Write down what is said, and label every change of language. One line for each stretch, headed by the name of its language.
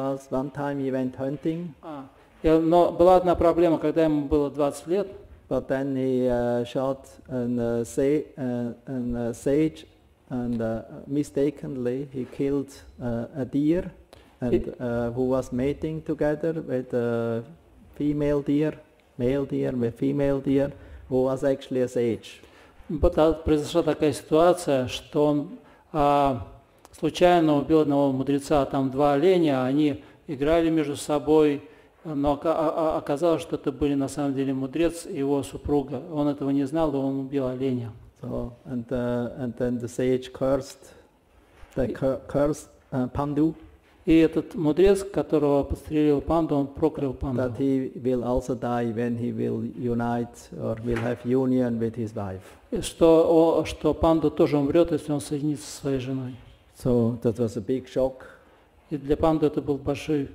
Russian: Но была одна проблема, когда ему было 20 лет.
English: But then he shot a sage, and mistakenly he killed a deer, and who was mating together with a female deer, who was actually a sage.
Russian: Произошла такая ситуация, что он случайно убил одного мудреца, там два оленя, они играли между собой. Но оказалось, что это были на самом деле мудрец и его супруга. Он этого не знал, и он убил оленя.
English: So, and then the sage cursed Pandu.
Russian: И этот мудрец, которого подстрелил Панду, он проклял Панду.
English: That he will also die when he will unite or will have union with his wife.
Russian: И что Панду тоже умрет, если он соединится со своей женой.
English: So that was a big shock.
Russian: И для Панду это был большой